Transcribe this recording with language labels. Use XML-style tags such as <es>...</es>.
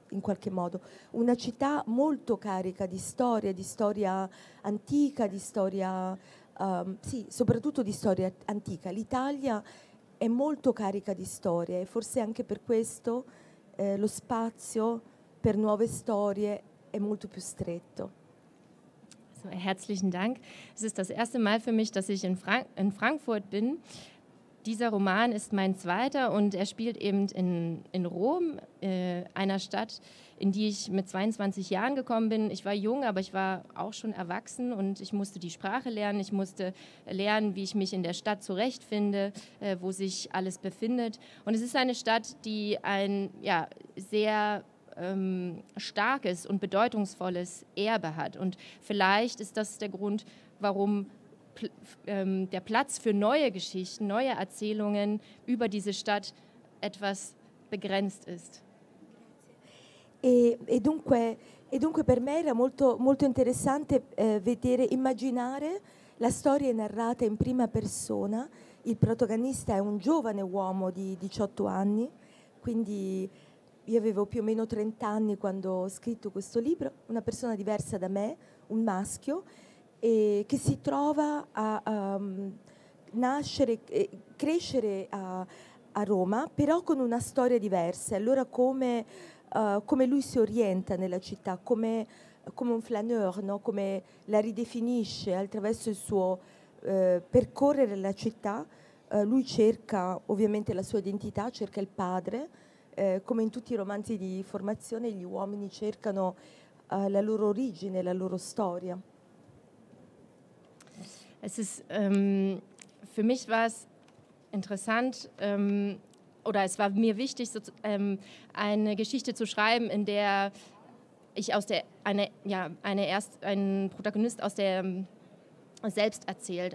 <it>In qualche modo, una città molto carica di storia antica, di storia, sì, soprattutto di storia antica. L'Italia è molto carica di storia e forse anche per questo lo spazio per nuove storie è molto più stretto.</it> <de>So, herzlichen Dank. Es ist das erste Mal für mich, dass ich in Frankfurt bin. Dieser Roman ist mein zweiter und er spielt eben in Rom, einer Stadt, in die ich mit 22 Jahren gekommen bin. Ich war jung, aber ich war auch schon erwachsen und ich musste die Sprache lernen. Ich musste lernen, wie ich mich in der Stadt zurechtfinde, wo sich alles befindet. Und es ist eine Stadt, die ein ja, sehr starkes und bedeutungsvolles Erbe hat. Und vielleicht ist das der Grund, warum der Platz für neue Geschichten, neue Erzählungen über diese Stadt etwas begrenzt ist.</de> <it>E dunque per me era molto molto interessante vedere immaginare la storia narrata in prima persona. Il protagonista è un giovane uomo di 18 anni, quindi io avevo più o meno 30 anni quando ho scritto questo libro, una persona diversa da me, un maschio. E che si trova a nascere e crescere a Roma, però con una storia diversa. Allora come lui si orienta nella città, come un flaneur, no? Come la ridefinisce attraverso il suo percorrere la città. Lui cerca ovviamente la sua identità, cerca il padre, come in tutti i romanzi di formazione gli uomini cercano la loro origine, la loro storia.</it> <de>Es ist für mich war es interessant oder es war mir wichtig, so, eine Geschichte zu schreiben, in der ich einen Protagonist aus der selbst erzählt.</de>